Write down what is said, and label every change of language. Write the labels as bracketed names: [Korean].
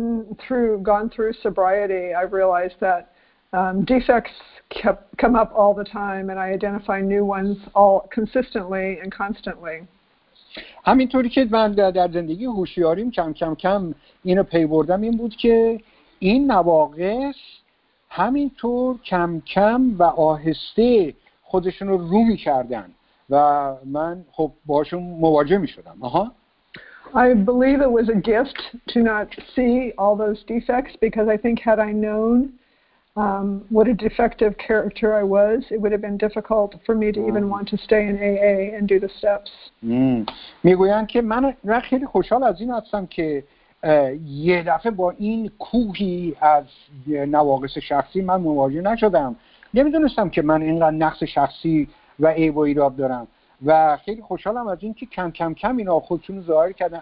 [English] As I've gone through sobriety, I've realized that defects come up all the time, and I identify new ones all consistently and constantly. [Persian] همینطوری که من در زندگی هوشیاریم کم کم کم اینو پی بردم این بود که این نواقص همینطور کم کم و آهسته خودشون رو رو می کردن و من خب باشون مواجه می شدم. [English] I believe it was a gift to not see all those defects, because I think had I known what a defective character I was, it would have been difficult for me to even want to stay in AA and do the steps. [Persian] میگویند که من خیلی خوشحال از این هستم که یه دفعه با این کوهی از نواقص شخصی من مواجه نشدم. نمیدونستم که من اینقدر نقص شخصی و عیب و ایراد دارم و خیلی خوشحالم از این که کم کم اینا خودشون رو ظاهر کردن.